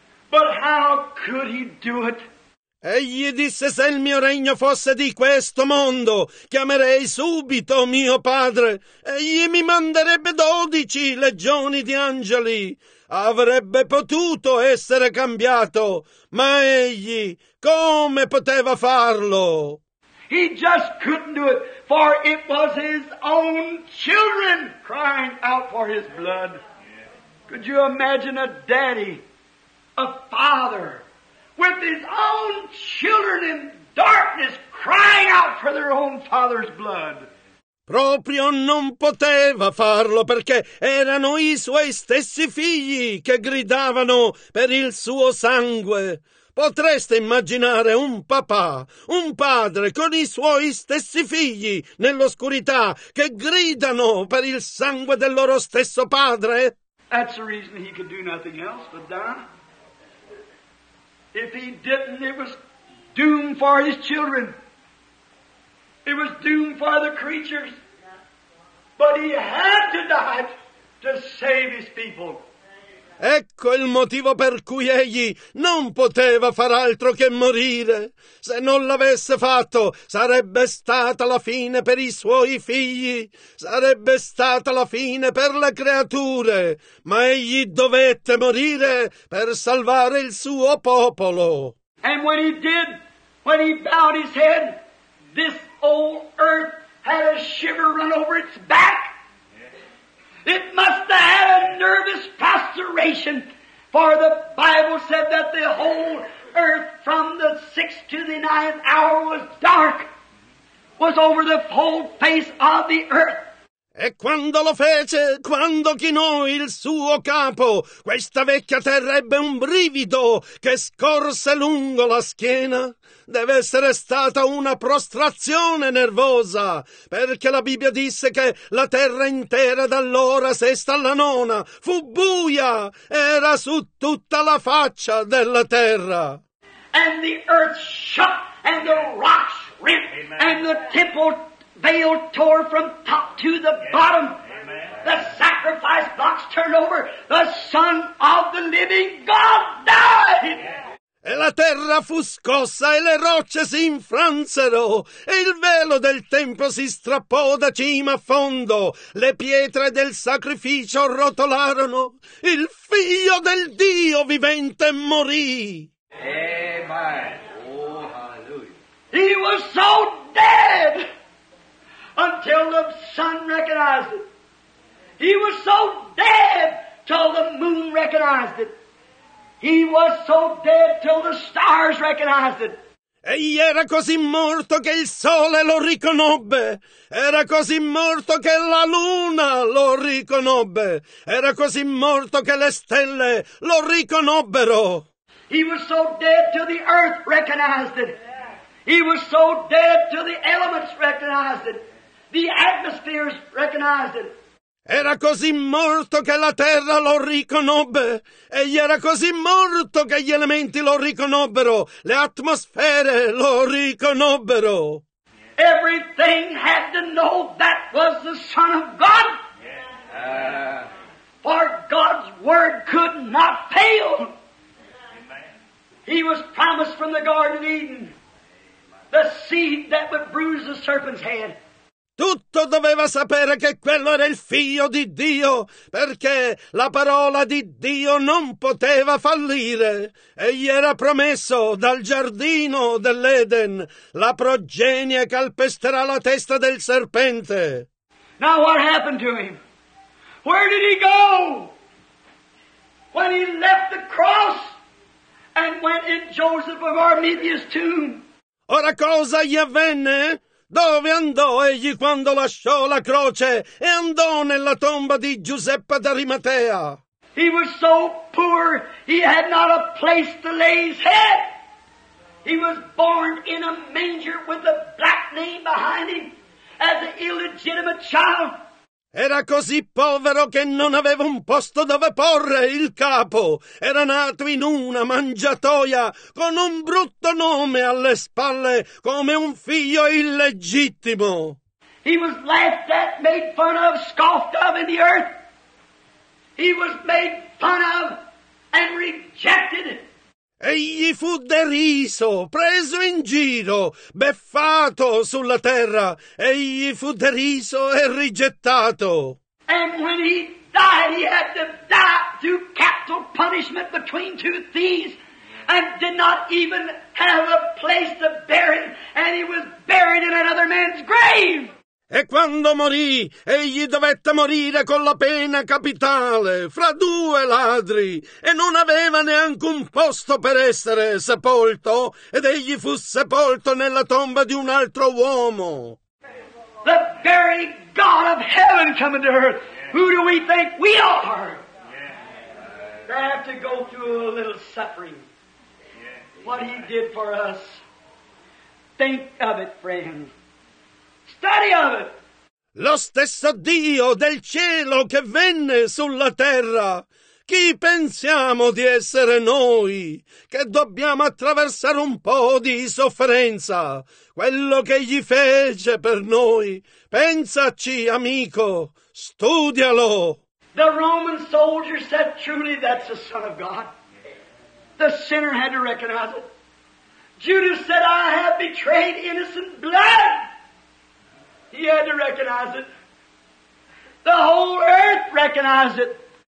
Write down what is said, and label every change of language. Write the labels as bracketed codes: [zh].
[en] But how could he do it? [it] Egli disse, se il mio regno fosse di questo mondo, chiamerei subito mio padre. Egli mi manderebbe 12 legioni di angeli. Avrebbe potuto essere cambiato, ma egli come poteva farlo? [en] He just couldn't do it, for it was his own children crying out for his blood. Could you imagine a daddy, a father, with his own children in darkness crying out for their own father's blood? [it] Proprio non poteva farlo perché erano i suoi stessi figli che gridavano per il suo sangue. Potreste immaginare un papà, un padre con i suoi stessi figli nell'oscurità che gridano per il sangue del loro stesso padre? [en] That's the reason he could do nothing else but die. If he didn't, it was doomed for his children. It was doomed for the creatures. But he had to die to save his people. [it] Ecco il motivo per cui egli non poteva far altro che morire. Se non l'avesse fatto, sarebbe stata la fine per i suoi figli. Sarebbe stata la fine per le creature. Ma egli dovette morire per salvare il suo popolo. [en] And when he did, when he bowed his head, this old earth had a shiver run over its back. It must have had a nervous prostration, for the Bible said that the whole earth from the sixth to the ninth hour was dark, was over the whole face of the earth. [it] E quando lo fece, quando chinò il suo capo, questa vecchia terra ebbe un brivido che scorse lungo la schiena. Deve essere stata una prostrazione nervosa, perché la Bibbia disse che la terra intera dall'ora sesta alla nona fu buia, era su tutta la faccia della terra. [en] And the earth shook, and the rocks ripped, and the temple veil tore from top to the bottom. Amen. The sacrifice box turned over. The Son of the Living God died. Yeah. [it] E la terra fu scossa e le rocce si infransero. E il velo del tempio si strappò da cima a fondo. Le pietre del sacrificio rotolarono. Il Figlio del Dio vivente morì. [en] Amen. Oh, hallelujah. He was so dead. Until the sun recognized it. He was so dead till the moon recognized it. He was so dead till the stars recognized it. [it] Egli era così morto che il sole lo riconobbe. Era così morto che la luna lo riconobbe. Era così morto che le stelle lo riconobbero. [en] He was so dead till the earth recognized it. He was so dead till the elements recognized it. The atmospheres recognized it. [it] Era così morto che la terra lo riconobbe. Egli era così morto che gli elementi lo riconobbero. Le atmosfere lo riconobbero. [en] Everything had to know that was the Son of God. For God's word could not fail. He was promised from the Garden of Eden the seed that would bruise the serpent's head. [it] Tutto doveva sapere che quello era il figlio di Dio, perché la parola di Dio non poteva fallire. Egli era promesso dal giardino dell'Eden, la progenie calpesterà la testa del serpente. [en] Now what happened to him? Where did he go? When he left the cross and went in Joseph of Arimathea's tomb. [it] Ora cosa gli avvenne? Dove andò egli quando lasciò la croce e andò nella tomba di Giuseppe d'Arimatea? [en] He was so poor, he had not a place to lay his head. He was born in a manger with a black name behind him as an illegitimate child. [it] Era così povero che non aveva un posto dove porre il capo. Era nato in una mangiatoia con un brutto nome alle spalle come un figlio illegittimo. [en] He was laughed at, made fun of, scoffed of in the earth. He was made fun of and rejected. [it] Egli fu deriso, preso in giro, beffato sulla terra. Egli fu deriso e rigettato. [en] And when he died, he had to die to capital punishment between two thieves and did not even have a place to bury him, and he was buried in another man's grave. [it] E quando morì, egli dovette morire con la pena capitale, fra due ladri, e non aveva neanche un posto per essere sepolto, ed egli fu sepolto nella tomba di un altro uomo. [en] The very God of heaven coming to earth. Who do we think we are? To have to go through a little suffering. What he did for us. Think of it, friend. Study of it. [it] Lo stesso Dio del cielo che venne sulla terra. Chi pensiamo di essere noi che dobbiamo attraversare un po' di sofferenza? Quello che gli fece per noi. Pensaci, amico, studialo. [en] The Roman soldier said truly that's the Son of God. The sinner had to recognize it. Judas said, I have betrayed innocent blood. He had to recognize it. The whole earth recognized it.